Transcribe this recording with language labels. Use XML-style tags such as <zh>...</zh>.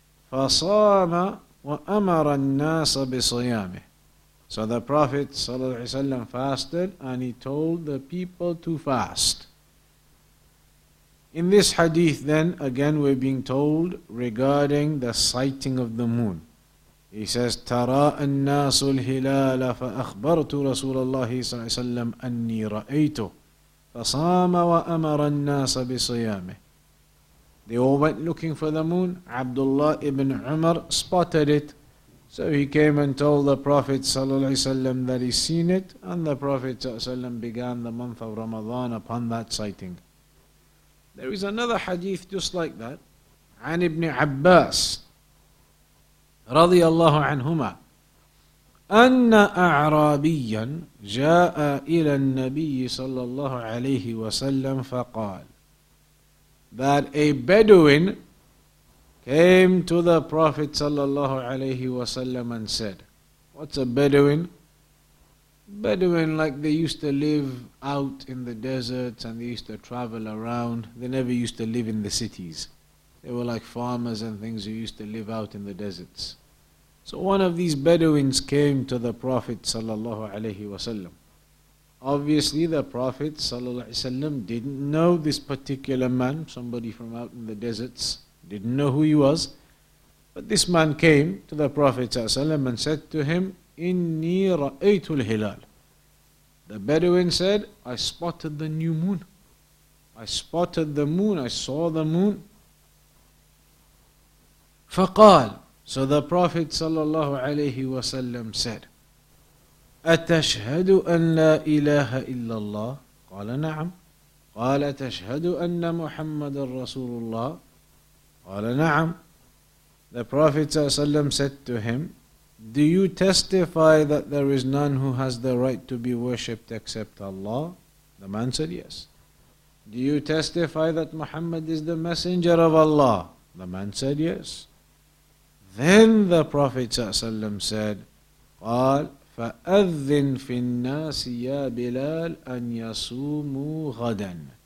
<ar>فصام وأمر الناس بصيامه.</ar> <en>So the Prophet صلى الله عليه وسلم fasted and he told the people to fast. In this hadith then, again we're being told regarding the sighting of the moon. He says,</en> <ar>ترى الناس الهلال فأخبرت رسول الله صلى الله عليه وسلم أني رأيته فصام وأمر الناس بصيامه.</ar> <en>They all went looking for the moon. Abdullah ibn Umar spotted it. So he came and told the Prophet ﷺ that he's seen it. And the Prophet ﷺ began the month of Ramadan upon that sighting. There is another hadith just like that. An ibn Abbas radiallahu anhuma.</en> <ar>أن أعرابيا جاء إلى النبي صلى الله عليه وسلم فقال.</ar> <en>That a Bedouin came to the Prophet sallallahu alayhi wasallam and said, what's a Bedouin? Bedouin, like they used to live out in the deserts and they used to travel around. They never used to live in the cities. They were like farmers and things who used to live out in the deserts. So one of these Bedouins came to the Prophet sallallahu alayhi wasallam. Obviously, the Prophet ﷺ didn't know this particular man, somebody from out in the deserts, didn't know who he was. But this man came to the Prophet ﷺ and said to him,</en> <ar>Inni ra'aytu al-hilal.</ar> <en>The Bedouin said, I spotted the new moon. I spotted the moon, I saw the moon.</en> <ar>Faqal.</ar> <en>So the Prophet ﷺ said,</en> <ar>أتشهد أن لا إله إلا الله؟ قال نعم. قال أتشهد أن محمد رسول الله؟ قال نعم.</ar> <en>The Prophet ﷺ said to him, Do you testify that there is none who has the right to be worshipped except Allah? The man said, Yes. Do you testify that Muhammad is the messenger of Allah? The man said, Yes. Then the Prophet ﷺ said,</en> <ar>قال فَأَذِّنْ فِي النَّاسِ يَا بِلَالِ أَنْ يَصُومُوا غَدًا.</ar>